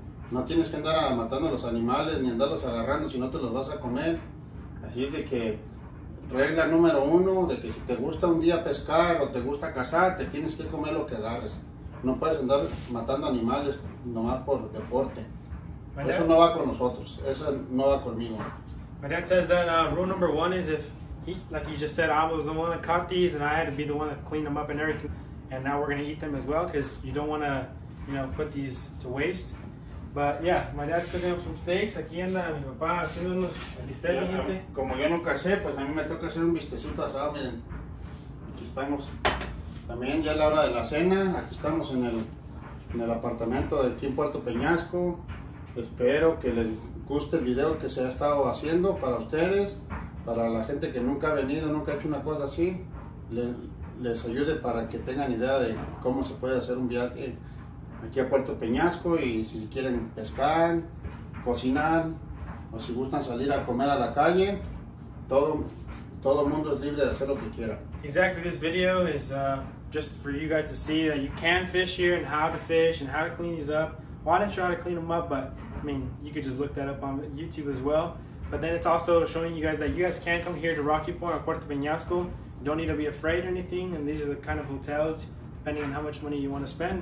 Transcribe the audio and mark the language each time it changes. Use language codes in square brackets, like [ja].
[es] No tienes que andar matando a los animales ni andarlos agarrando, si no te los vas a comer. Así es de que regla número uno, de que si te gusta un día pescar o te gusta cazar, te tienes que comer lo que agarres. No puedes andar matando animales nomás por deporte. Eso no va con nosotros, eso no va conmigo. [en] My dad says that rule number one is if, he, like you just said, I was the one that caught these and I had to be the one that cleaned them up and everything. And now we're going to eat them as well because you don't want to, you know, put these to waste. But yeah, my dad's cooking up some steaks. [es] Aquí anda mi papá haciendo unos bistecitos, yeah, gente. Como yo nunca sé, pues a mí me toca hacer un bistecito asado, miren. Aquí estamos. También ya es la hora de la cena. Aquí estamos en el apartamento de aquí en Puerto Peñasco. Espero que les guste el video que se ha estado haciendo para ustedes, para la gente que nunca ha venido, nunca ha hecho una cosa así, les ayude para que tengan idea de cómo se puede hacer un viaje aquí a Puerto Peñasco, y si quieren pescar, cocinar o si gustan salir a comer a la calle, todo mundo es libre de hacer lo que quiera. [en] Exactly, this video is just for you guys to see that you can fish here and how to fish and how to clean these up. Well, I didn't try to clean them up, but I mean, you could just look that up on YouTube as well. But then it's also showing you guys that you guys can come here to Rocky Point or Puerto Peñasco. You don't need to be afraid or anything. And these are the kind of hotels, depending on how much money you want to spend.